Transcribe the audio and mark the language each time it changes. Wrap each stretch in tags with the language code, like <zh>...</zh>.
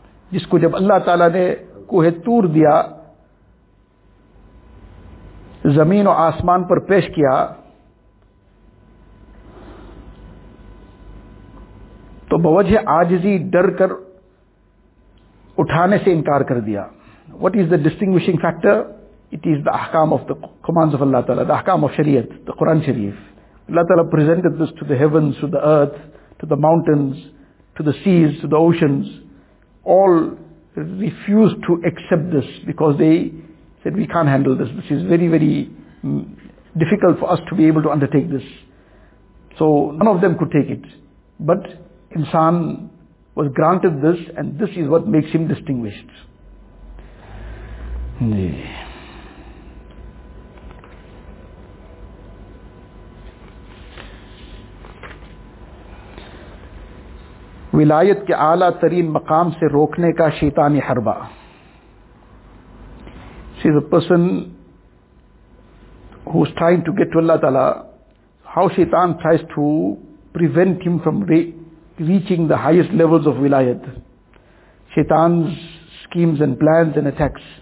<ur>جس کو جب اللہ تعالیٰ نے کوہ طور دیا, زمین و آسمان پر پیش کیا, تو بوجہ عاجزی ڈر کر اٹھانے سے انکار کر دیا.</ur> <en>What is the distinguishing factor? It is the ahkam of the commands of Allah Ta'ala, the ahkam of Shariat, the Quran Sharif. Allah Ta'ala presented this to the heavens, to the earth, to the mountains, to the seas, to the oceans. All refused to accept this because they said, we can't handle this. This is very, very difficult for us to be able to undertake this. So none of them could take it. But insan was granted this, and this is what makes him distinguished.</en> <ur>ولایت کے اعلیٰ ترین مقام سے روکنے کا شیطانی حربہ.</ur> <en>See, the person who's trying to get to Allah Ta'ala, how shaitan tries to prevent him from reaching the highest levels of wilayat. Shaitan's schemes and plans and attacks.</en>